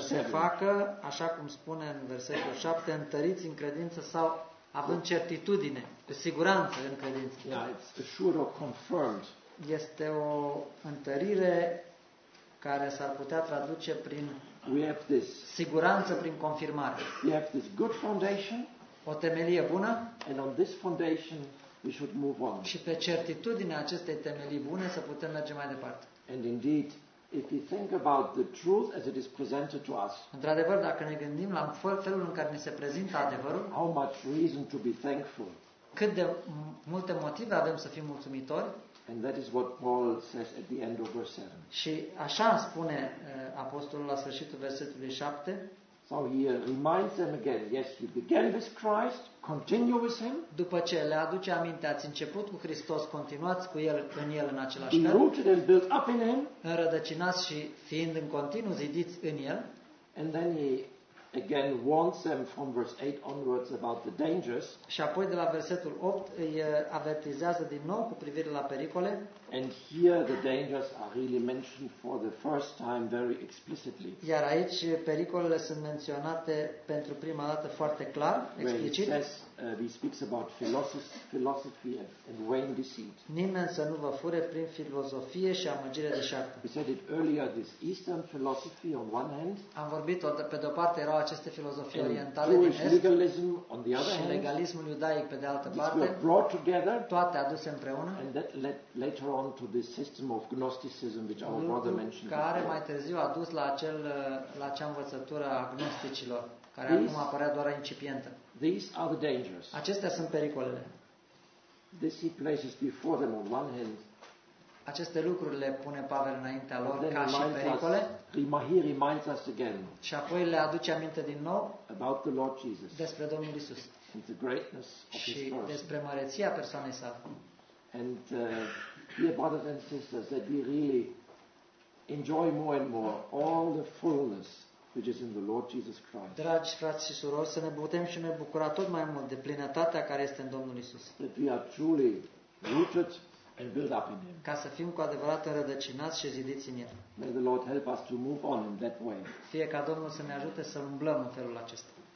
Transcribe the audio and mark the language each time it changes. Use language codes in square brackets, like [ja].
[ro] Să se facă, așa cum spune în versetul 7, întăriți în credință sau având certitudine, cu siguranță în credință. [en] Yeah, it's assured or confirmed. [ro] Este o întărire care s-ar putea traduce prin siguranță, prin confirmare. [en] We have this good foundation, [ro] o temelie bună, [en] and on this foundation we should move on. [ro] Și pe certitudinea acestei temelii bune să putem merge mai departe. [en] And indeed, if we think about the truth as it is presented to us. [ro] Într-adevăr, dacă ne gândim la felul în care ni se prezintă adevărul, [en] how much reason to be thankful. [ro] Cât de multe motive avem să fim mulțumitori? [en] And that is what Paul says at the end of verse 7. [ro] Și așa spune apostolul la sfârșitul versetului 7. [en] So he reminds them again, yes, you began with Christ, continue with him. [ro] După ce le aduce aminte, ați început cu Hristos, continuați cu el, în el în același fel. [en] Rooted and built up in him. [ro] Înrădăcinați și fiind în continuu zidiți în el. [en] And then he again warns them from verse 8 onwards about the dangers. [ro] Și apoi de la versetul 8 îi avertizează din nou cu privire la pericole. [en] And here the dangers are really mentioned for the first time very explicitly. [ro] Iar aici pericolele sunt menționate pentru prima dată foarte clar, explicit. [en] Where he says, he speaks about philosophy and vain deceit. [ro] Nimeni să nu vă fure prin filozofie și amăgire de șarpe. [en] We said it earlier, this Eastern philosophy on one hand. [ro] Am vorbit pe de-o parte erau aceste filozofii orientale [en] Jewish [ro] din Est, [en] legalism on the other [ro] și [en] hand, [ro] legalismul iudaic pe de altă parte, [en] brought together, [ro] toate aduse împreună. [en] And that led later on to this system of Gnosticism which our brother mentioned. [ro] Care [en] before. [ro] Mai târziu a dus la acel la acea învățătură a gnosticilor, care acum apărea doar incipientă. [en] These are the dangers. [ro] Acestea sunt pericolele. [en] This he places before them on one hand. [ro] Aceste lucruri le pune Pavel înaintea lor ca și pericole. [en] He reminds us again. [ro] Și apoi le aduce aminte din nou [en] about the Lord Jesus. [ro] Despre Domnul Iisus. [en] And the greatness of his [ro] și despre măreția persoanei sale. [en] And dear brothers and sisters, that we really enjoy more and more all the fullness which is in the Lord Jesus Christ. [ro] Dragi frați și surori, să ne putem și noi bucura tot mai mult de plinătatea care este în Domnul Iisus. [en] That we are truly rooted and build up in him. [ro] Ca să fim cu adevărat înrădăcinați și zidiți în el. [en] May the Lord help us to move on in that way. [ro] Fie ca Domnul să ne ajute să umblăm în felul acesta.